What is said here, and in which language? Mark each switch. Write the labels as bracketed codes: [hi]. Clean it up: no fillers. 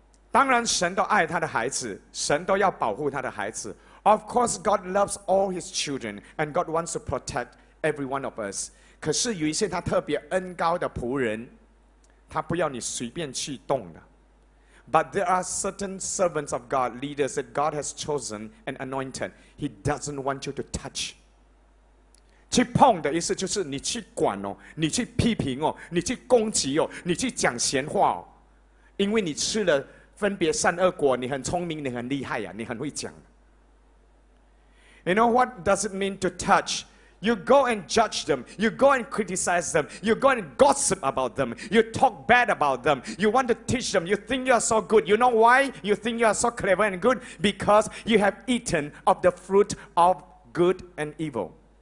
[zh] 当然，神都爱他的孩子，神都要保护他的孩子。 [en] Of course, God loves all His children, and God wants to protect every one of us. [zh] 可是有一些他特别恩高的仆人，他不要你随便去动的。 [en] But there are certain servants of God, leaders that God has chosen and anointed. He doesn't want you to touch. [zh] 去碰的意思就是你去管哦，你去批评哦，你去攻击哦，你去讲闲话哦，因为你吃了分别善恶果，你很聪明，你很厉害呀，你很会讲。 [en] You know what does it mean to touch? You go and judge them, you go and criticize them, you go and gossip about them, you talk bad about them, you want to teach them, you think you are so good. You know why you think you are so clever and good? Because you have eaten of the fruit of good and evil.